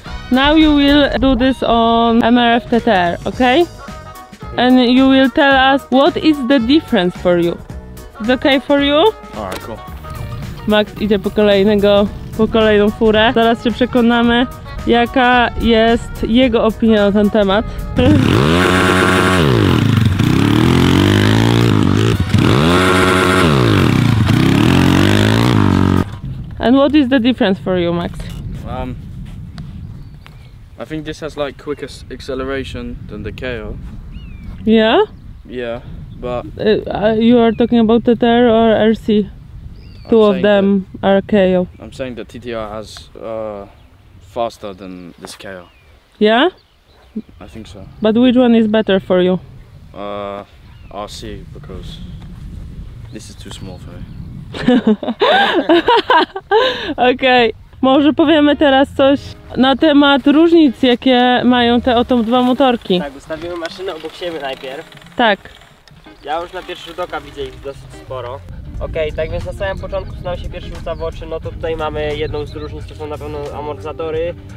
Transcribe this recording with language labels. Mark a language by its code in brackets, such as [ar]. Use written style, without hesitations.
[en] Now you will do this on MRF TTR, okay? And you will tell us what is the difference for you. Is okay for you? Alright, cool. [pl] Max idzie po kolejną furę. Zaraz się przekonamy, jaka jest jego opinia na ten temat. [en] And what is the difference for you, Max? I think this has like quicker acceleration than the KO. Yeah? Yeah, but... You are talking about TTR or RC? Two of them are KO. I'm saying that TTR has faster than this KO. Yeah? I think so. But which one is better for you? RC, because this is too small for me. Okay. [pl] Może powiemy teraz coś na temat różnic, jakie mają te oto dwa motorki. Tak, ustawimy maszynę obok siebie najpierw. Tak. Ja już na pierwszy rzut oka widzę ich dosyć sporo. Okej, okay, tak więc na samym początku, co nam się pierwszy rzuca w oczy, no to tutaj mamy jedną z różnic, to są na pewno amortyzatory.